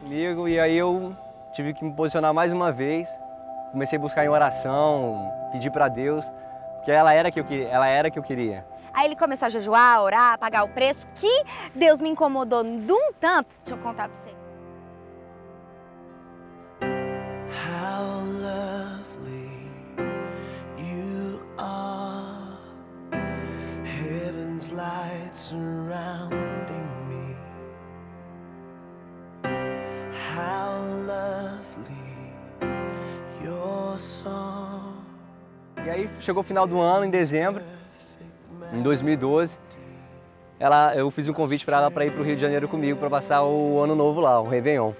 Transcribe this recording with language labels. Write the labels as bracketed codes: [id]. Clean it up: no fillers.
[pt] Comigo, e aí eu tive que me posicionar mais uma vez, comecei a buscar em oração, pedir pra Deus, porque ela era que eu queria, ela era que eu queria. Aí ele começou a jejuar, a orar, a pagar o preço, que Deus me incomodou de um tanto. Deixa eu contar pra você. [en] How lovely you are, heaven's light surrounding me. How lovely your song. [pt] E aí chegou o final do ano, em dezembro. Em 2012, eu fiz um convite para ela para ir para o Rio de Janeiro comigo para passar o ano novo lá, o Réveillon.